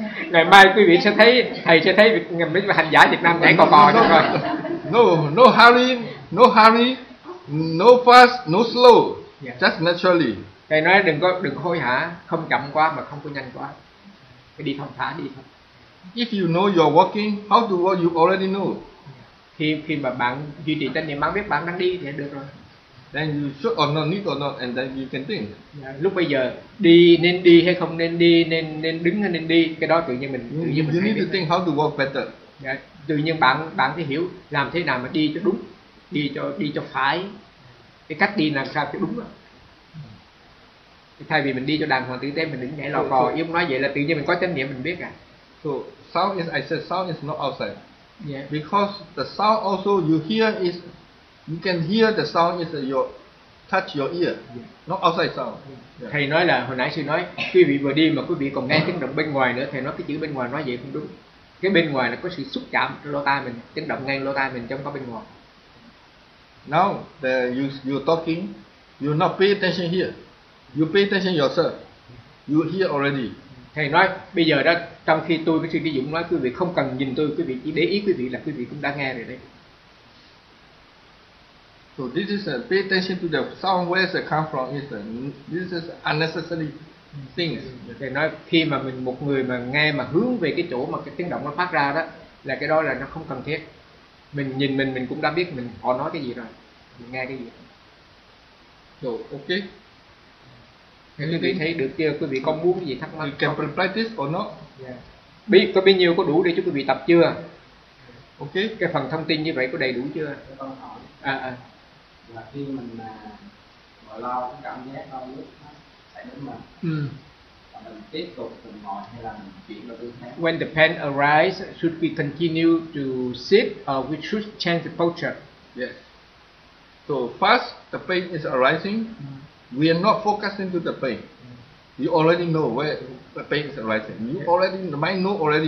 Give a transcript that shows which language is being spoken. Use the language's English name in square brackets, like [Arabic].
[Vietnamese] Ngày mai quý vị sẽ thấy, thầy sẽ thấy mấy hành giả Việt Nam nhảy cò cò cho coi. [English] No hurry, no fast, no slow, yeah. Just naturally. [Vietnamese] Thầy nói đừng hối hả, không chậm quá mà không có nhanh quá. Phải đi thong thả đi thôi. [English] If you know you're walking, how to walk you already know. [Vietnamese] Khi mà bạn duy trì tránh niệm, bạn biết bạn đang đi thì được rồi. [English] Then you should or not need or not and then you can think. [Vietnamese] Yeah, lúc bây giờ đi nên đi hay không nên đi, nên đứng hay nên đi, cái đó tự nhiên mình [English] you, [Vietnamese] tự nhiên [English] you [Vietnamese] mình [English] need to think how to walk better. [Vietnamese] Yeah, tự nhiên bạn sẽ hiểu làm thế nào mà đi cho đúng, đi cho phải. Cái cách đi làm sao cho đúng đó. Thay vì mình đi cho đàng hoàng tử tế, mình đứng nhảy lò cò, yếu nói vậy là tự nhiên mình có chánh niệm mình biết à. [English] So sound is, I said sound is not outside. Yeah. Because the sound also you hear is, you can hear the sound is your touch your ear, yeah. Not outside sound. Yeah. [Vietnamese] Thầy nói là hồi nãy sư nói, quý vị vừa đi mà quý vị còn nghe tiếng động bên ngoài nữa, thầy nói cái chữ bên ngoài nói vậy không đúng. Cái bên ngoài là có sự xúc chạm lỗ tai mình, tiếng động ngay lỗ tai mình chứ không có bên ngoài. [English] Now you talking, you not pay attention here. You pay attention yourself. You hear already. [Vietnamese] Thầy nói bây giờ đó, trong khi tôi với sư Trí Dũng nói, quý vị không cần nhìn tôi, quý vị chỉ để ý quý vị là quý vị cũng đã nghe rồi đấy. [English] So this is a pay attention to the sound, where it come from, is this is unnecessary things. [Vietnamese] Thầy nói khi mà mình một người mà nghe mà hướng về cái chỗ mà cái tiếng động nó phát ra đó, là cái đó là nó không cần thiết. Mình nhìn mình cũng đã biết mình họ nói cái gì rồi, mình nghe cái gì. [English] So okay. [Vietnamese] Thế quý vị thấy được chưa? Quý vị có muốn cái gì thắc mắc? [English] You can practice or not? Yeah. [Vietnamese] Biết có bao nhiêu có đủ để cho quý vị tập chưa? [English] Ok. [Vietnamese] Cái phần thông tin như vậy có đầy đủ chưa? Cái câu hỏi là khi mình mở lo cái cảm giác đau nhức tại đến mình, mình tiếp tục từng ngồi hay là mình chuyển vào phương khác? [English] When the pain arises, should we continue to sit or we should change the posture? Yes. So first, the pain is arising. We are not focusing to the pain. You already know where the pain is arising. You already, the mind know already.